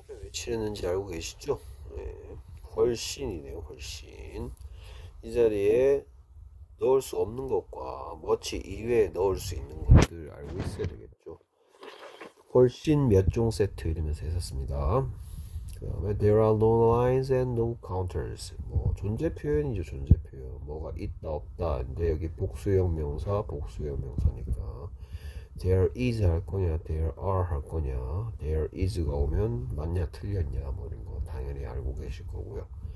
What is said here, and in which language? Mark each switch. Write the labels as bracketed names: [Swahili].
[Korean] 치르는지 알고 계시죠? 네, 훨씬이네요, 훨씬. 이 자리에 넣을 수 없는 것과 머치 이외에 넣을 수 있는 것들 알고 있어야 되겠죠. 훨씬 몇종 세트 이러면서 했었습니다. [English] 그다음에 there are no lines and no counters. [Korean] 뭐 존재 표현이죠, 존재 표현. 뭐가 있다 없다. 근데 여기 복수형 명사, 복수형 명사니까. There is 할 거냐, there are 할 거냐, there is가 오면 맞냐, 틀렸냐, 뭐 이런 거 당연히 알고 계실 거고요.